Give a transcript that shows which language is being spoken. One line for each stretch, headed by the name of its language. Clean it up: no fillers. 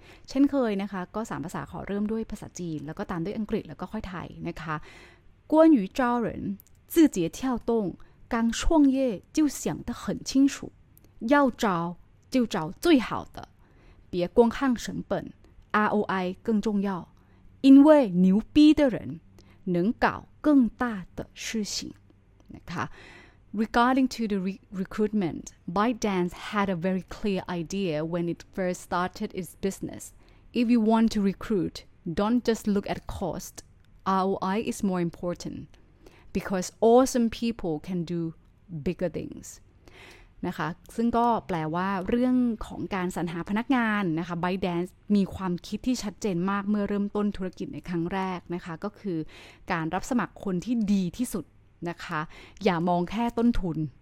Thai: เช่นเคยนะคะก็3ภาษาขอเริ่มด้วยภาษาจีนแล้วก็ตามด้วยอังกฤษแล้วก็ค่อยไทยนะคะ
Chinese: 关于招人，字节跳动刚创业就想得很清楚，要招就招最好的，别光看成本 ，ROI 更重要，因为牛逼的人能搞更大的事情。那个
English: ，regarding to the recruitment, ByteDance had a very clear idea when it first started its business. If you want to recruit, don't just look at cost. ROI is more important because awesome people can do bigger things
Thai: นะคะซึ่งก็แปลว่าเรื่องของการสรรหาพนักงานนะคะ ByteDance มีความคิดที่ชัดเจนมากเมื่อเริ่มต้นธุรกิจในครั้งแรกนะคะก็คือการรับสมัครคนที่ดีที่สุดนะคะอย่ามองแค่ต้นทุน